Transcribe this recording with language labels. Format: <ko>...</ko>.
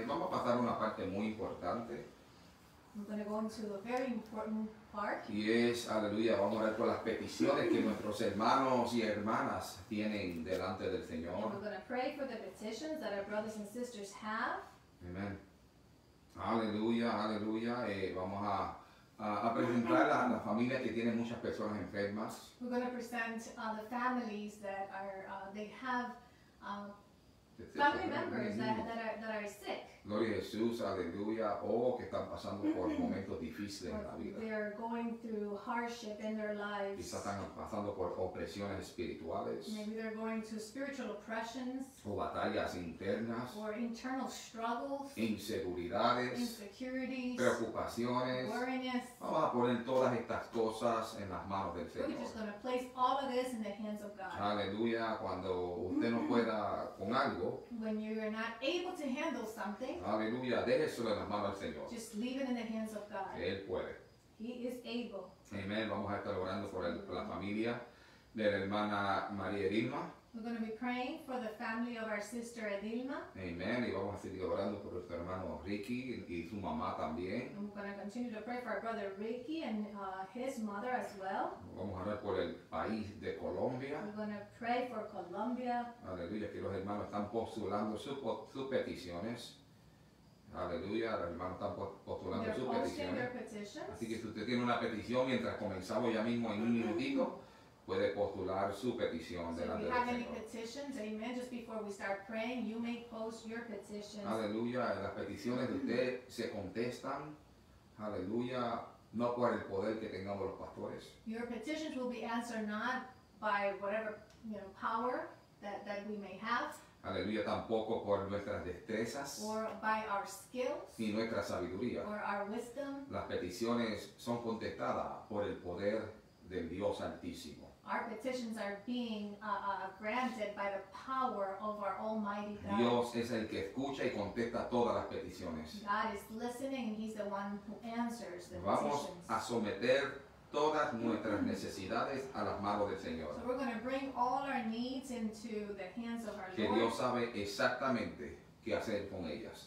<es>Y vamos a pasar una parte muy importante.</es> <en>I'm going to go into a very important</en> <es>y es, aleluya, vamos a orar por las peticiones que nuestros hermanos y hermanas tienen delante del Señor.</es> <en>And we're going to pray for the petitions that our brothers and sisters have.</en> <es>Amen. Aleluya, aleluya. Vamos a presentar a las familias que tienen muchas personas enfermas.</es> <en>We're going to present the families that have family members that are sick.</en> <es>Gloria a Jesús, aleluya, que están pasando por momentos difíciles en la vida.</es> <en>They are going through hardship in their lives.</en> <es>Quizás están pasando por opresiones espirituales.</es> <en>Maybe they're going through spiritual oppressions.</en> <es>O batallas internas.</es> <en>Or internal struggles.</en> <es>Inseguridades.</es> <en>Insecurities.</en> <es>Preocupaciones.</es> <en>Worriness.</en> <es>Vamos a poner todas estas cosas en las manos del Señor.</es> <en>We're just going to place all of this in the hands of God.</en> <es>Aleluya, cuando usted no pueda con algo.</es> <en>When you are not able to handle something.</en> <es>Aleluya, deje eso en las manos del Señor.</es> <en>Just leave it in the hands of God.</en> <es>Él puede.</es> <en>He is able. Amen.</en> <es>Vamos a estar orando por la familia de la hermana María Edilma.</es> <en>We're going to be praying for the family of our sister Edilma.</en> <es>Amen. Y vamos a seguir orando por nuestro hermano Ricky y su mamá también.</es> <en>And we're going to continue to pray for our brother Ricky and his mother as well.</en> <es>Vamos a orar por el país de Colombia.</es> <en>We're going to pray for Colombia.</en> <es>Aleluya, que los hermanos están postulando sus peticiones. Aleluya, los hermanos están postulando sus peticiones. Así que si usted tiene una petición mientras comenzamos ya mismo en un minutito, puede postular su petición delante del Señor.</es> <en>If you have any petitions, amen, just before we start praying, you may post your petitions.</en> <es>Aleluya, las peticiones de usted se contestan. Aleluya, no por el poder que tengamos los pastores.</es> <en>Your petitions will be answered not by whatever, you know, power that we may have.</en> <es>Aleluya, tampoco por nuestras destrezas.</es> <en>Or by our skills.</en> <es>Ni nuestra sabiduría.</es> <en>Or our wisdom.</en> <es>Las peticiones son contestadas por el poder del Dios Altísimo.</es> <en>Our petitions are being granted by the power of our Almighty God.</en> <es>Dios es el que escucha y contesta todas las peticiones.</es> <en>God is listening and He's the one who answers the</en> <es>Vamos</es> <en>petitions.</en> <es>Vamos a someter todas nuestras necesidades a las manos del Señor.</es> <en>So we're going to bring all our needs into the hands of our Lord.</en> <es>Que Dios sabe exactamente qué hacer con ellas.</es>